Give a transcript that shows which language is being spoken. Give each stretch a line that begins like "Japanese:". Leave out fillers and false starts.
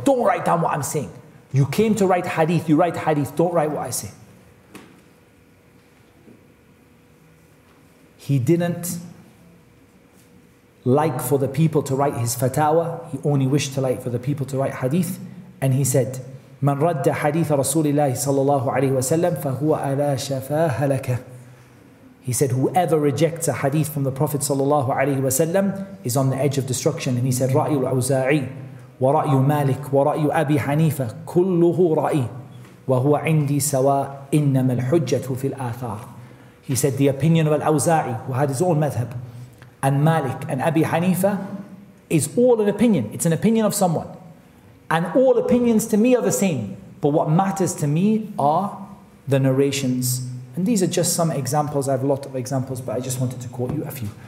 English: Don't write down what I'm saying. You came to write hadith, you write hadith, don't write what I say. He didn't like for the people to write his fatawa. He only wished to like for the people to write hadith.
Arabic: And he said, من رد حديث رسول الله صلى الله عليه وسلم فهو على شفا هلك.
English: He said, whoever rejects a hadith from the Prophet صلى الله عليه وسلم is on the edge of destruction.
Arabic: And he said, رأي العزاعي ورأي مالك ورأي أبي حنيفة كله رأي وهو عندي سواء إنما الحجة في الآثار.
English: He said, the opinion of Al-Awza'i, who had his own madhab, and Malik and Abi Hanifa, is all an opinion. It's an opinion of someone. And all opinions to me are the same. But what matters to me are the narrations. And these are just some examples. I have a lot of examples, but I just wanted to quote you a few.